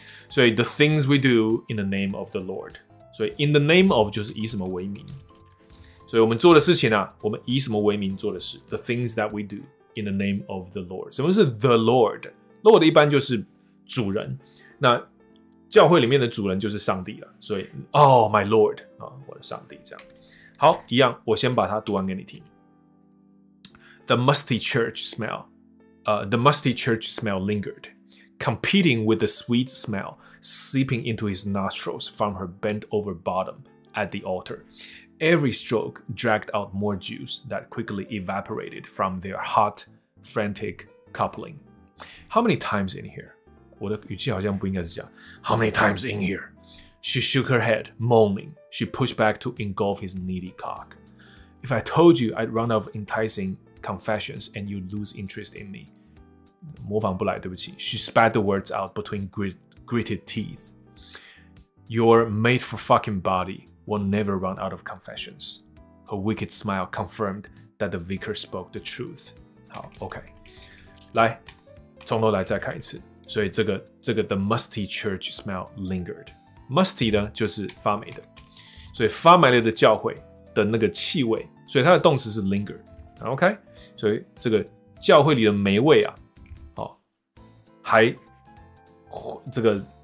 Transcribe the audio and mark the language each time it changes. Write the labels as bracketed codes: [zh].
[zh] 所以 [en] The things we do in the name of the Lord， 所以 in the name of [zh] 就是以什么为名，所以我们做的事情啊，我们以什么为名做的事 [en] ，The things that we do。 In the name of the Lord， [zh] 什么是 [en] the Lord？ [zh] Lord 一般就是主人，那教会里面的主人就是上帝了。所以 ， [en] Oh my Lord [zh] 啊，我的上帝，这样。好，一样，我先把它读完给你听。 [en] The musty church smell， the musty church smell lingered， competing with the sweet smell seeping into his nostrils from her bent over bottom at the altar。 Every stroke dragged out more juice that quickly evaporated from their hot, frantic coupling. How many times in here? [zh] 我的语气好像不应该是这样。 [en] How many times in here? She shook her head, moaning. She pushed back to engulf his needy cock. If I told you I'd run out of enticing confessions and you'd lose interest in me. [zh] 模仿不来，对不起。 [en] She spat the words out between gritted teeth. You're made for fucking body. Will never run out of confessions. Her wicked smile confirmed that the vicar spoke the truth. [zh] 好 ，OK， 来，从头来再看一次。所以这个 [en] the musty church smell lingered. [zh] Musty 呢就是发霉的，所以发霉了的教会的那个气味，所以它的动词是 linger. OK， 所以这个教会里的霉味啊，好、哦，还这个。